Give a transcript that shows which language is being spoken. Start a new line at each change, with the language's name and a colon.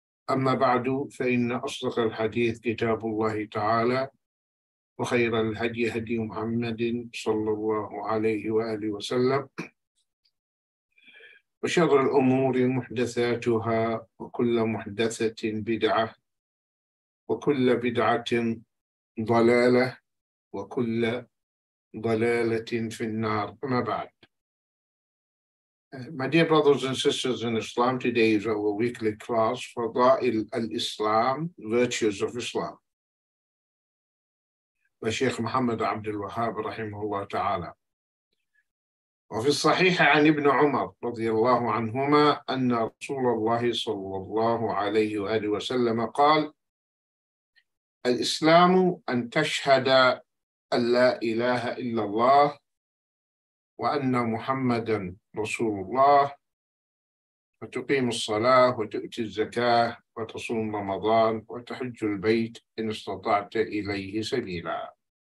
Arabic: أما بعد فإن أصدق الحديث كتاب الله تعالى وخير الهدي هدي محمد صلى الله عليه وآله وسلم وشر الأمور محدثاتها وكل محدثة بدعة وكل بدعة ضلالة وكل ضلالة في النار أما بعد.
English: My dear brothers and sisters in Islam, today is our weekly class, Fadail al-Islam, Virtues of Islam.
Arabic: الشيخ محمد عبد الوهاب رحمه الله تعالى. وفي الصحيح عن ابن عمر رضي الله عنهما أن رسول الله صلى الله عليه وآله وسلم قال: الإسلام أن تشهد أن لا إله إلا الله وأن محمدا رسول الله وتقيم الصلاة وتؤتي الزكاة وتصوم رمضان وتحج البيت إن استطعت إليه سبيلا.